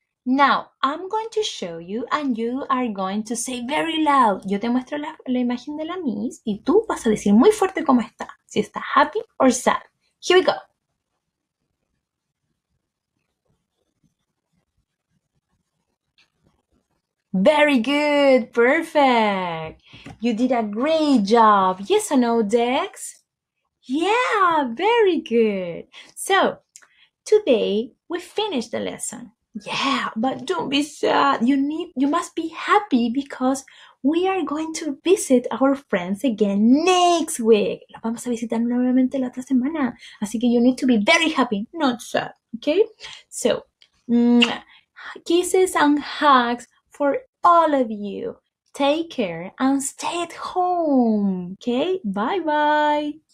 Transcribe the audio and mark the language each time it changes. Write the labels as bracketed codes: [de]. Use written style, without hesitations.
[en] Now, I'm going to show you and you are going to say very loud. [es] Yo te muestro la imagen de la miss y tú vas a decir muy fuerte cómo está. Si está [en] happy or sad. Here we go. Very good. Perfect. You did a great job. Yes or no, Dex? Yeah, very good. So, today, we finished the lesson. Yeah, but don't be sad. You must be happy because we are going to visit our friends again next week. [es] Los vamos a visitar nuevamente la otra semana. Así que [en] you need to be very happy, not sad. Okay? So, kisses and hugs for all of you. Take care and stay at home. Okay? Bye-bye.